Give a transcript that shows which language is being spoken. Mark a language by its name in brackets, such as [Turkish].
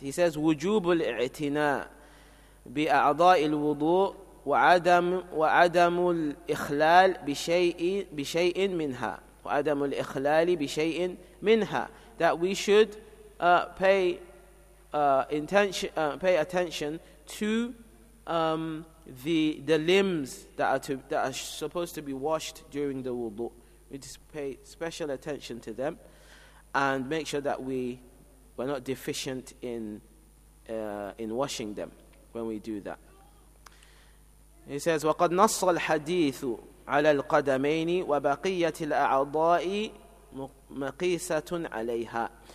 [English] He says, وُجُوبُ الْاِعْتِنَاء بِأَعْضَاءِ الْوُضُوءِ وعدم الإخلال بشيء منها وعدم الإخلال بشيء منها. That we should pay attention to the limbs that are supposed to be washed during the wudu. We just pay special attention to them and make sure that we're not deficient in washing them when we do that. [Arabic] He says, وَقَدْ نَصَّ الْحَدِيثُ عَلَى الْقَدَمَيْنِ وَبَقِيَّةِ الْأَعْضَاءِ مَقِيسَةٌ عَلَيْهَا.